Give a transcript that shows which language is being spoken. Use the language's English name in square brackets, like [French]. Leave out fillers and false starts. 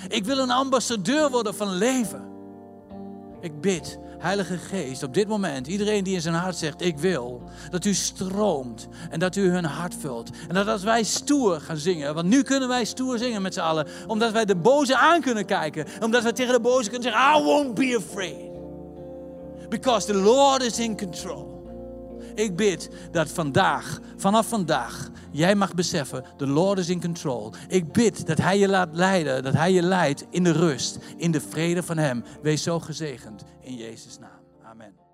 [Dutch] Ik wil een ambassadeur worden van leven. Ik bid, Heilige Geest, op dit moment, iedereen die in zijn hart zegt, ik wil, dat u stroomt en dat u hun hart vult. En dat als wij stoer gaan zingen, want nu kunnen wij stoer zingen met z'n allen, omdat wij de boze aan kunnen kijken, omdat wij tegen de boze kunnen zeggen, [English] I won't be afraid. Because the Lord is in control. [Dutch] Ik bid dat vandaag, vanaf vandaag, jij mag beseffen, [English] the Lord is in control. [Dutch] Ik bid dat Hij je laat leiden, dat Hij je leidt in de rust, in de vrede van Hem. Wees zo gezegend, in Jezus' naam. Amen.